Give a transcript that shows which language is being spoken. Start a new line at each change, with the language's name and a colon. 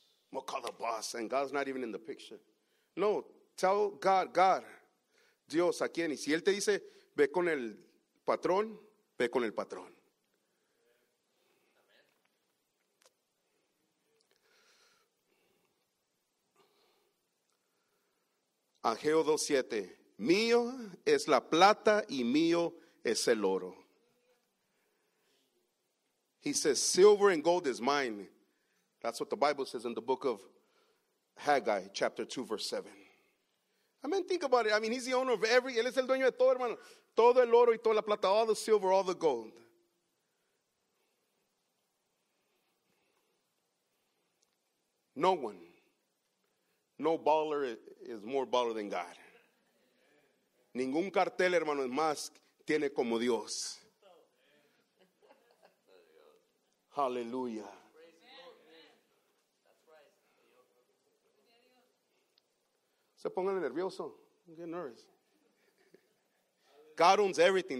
English: We'll call the boss and God's not even in the picture. No, tell God,
Spanish: Dios, ¿a quién? Y si Él te dice, ve con el patrón, ve con el patrón. Ageo 2:7. Mío es la plata y mío es el oro.
English: He says, silver and gold is mine. That's what the Bible says in the book of Haggai, chapter 2, verse 7. I mean, think about it. I mean, he's the owner of every,
Spanish: él es el dueño de todo, hermano. Todo el oro y toda la plata,
English: all the silver, all the gold. No one, no baller is more baller than God.
Spanish: Ningún cartel, hermano, es más, tiene como Dios.
English: Hallelujah.
Spanish: Se pongan nervioso.
English: Get nervous. God owns everything.